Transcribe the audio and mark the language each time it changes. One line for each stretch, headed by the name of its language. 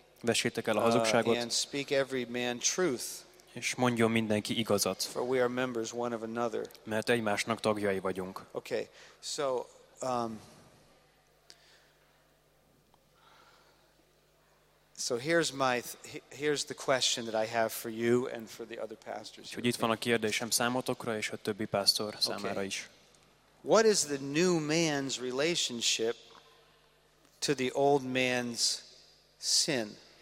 Hungarian: Vessétek el a hazugságot.
English: And speak every man truth.
Hungarian: És mondjon mindenki igazat.
English: For we are members one of another.
Hungarian: Mert egymásnak tagjai vagyunk.
English: Okay. So here's the question that I have for you and for the other pastors.
Hungarian: Hogy itt van a kérdésem számotokra és a többi pásztor számára is.
English: What is the new man's relationship to the old man's sin?